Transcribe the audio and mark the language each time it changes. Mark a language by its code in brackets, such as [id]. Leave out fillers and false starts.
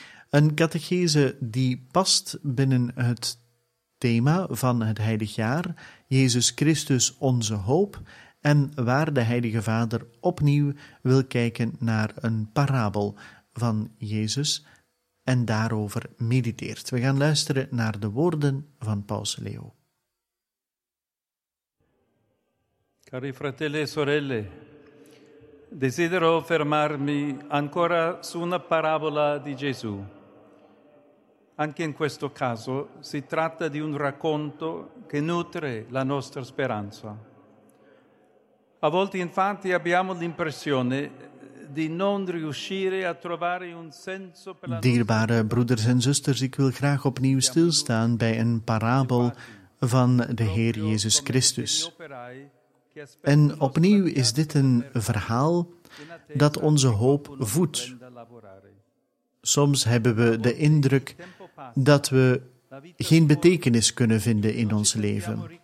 [nl] Een catechese die past binnen het thema van het heilig jaar, Jezus Christus onze hoop, en waar de Heilige Vader opnieuw wil kijken naar een parabel van Jezus en daarover mediteert. We gaan luisteren naar de woorden van paus Leo. [it] Cari fratelli e sorelle, desidero fermarmi ancora su una parabola di Gesù. Anche in questo caso si tratta di un racconto che nutre la nostra speranza. A volte, infatti, abbiamo l'impressione di non riuscire a trovare un senso per la nostra. [nl] Dierbare broeders en zusters, ik wil graag opnieuw stilstaan bij een parabel van de Heer Jezus Christus. En opnieuw is dit een verhaal dat onze hoop voedt. Soms hebben we de indruk dat we geen betekenis kunnen vinden in ons leven.